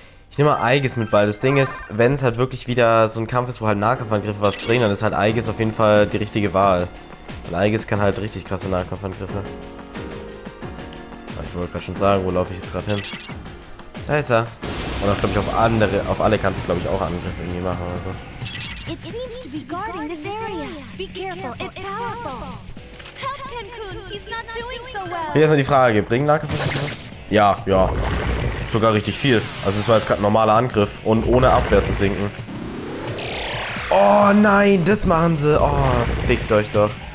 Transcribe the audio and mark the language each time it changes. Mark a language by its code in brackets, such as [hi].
[de] Ich nehme mal Aegis mit, weil das Ding ist, wenn es halt wirklich wieder so ein Kampf ist, wo halt Nahkampfangriffe was bringen, dann ist halt Aegis auf jeden Fall die richtige Wahl. Weil Aegis kann halt richtig krasse Nahkampfangriffe. Ich wollte gerade schon sagen, wo laufe ich jetzt gerade hin? Da ist er. Und auch, glaube ich, auf alle kannst du, glaube ich, auch Angriffe irgendwie machen oder so. [en] It seems to be guarding this area. Be careful, it's powerful. Help Ken-kun, he's not doing so well. [de] Hier ist nur die Frage, bringen Nahkampfangriffe was? Ja, ja. Sogar richtig viel. Also es war jetzt gerade ein normaler Angriff und ohne Abwehr zu sinken. Oh nein, das machen sie. Oh, fickt euch doch.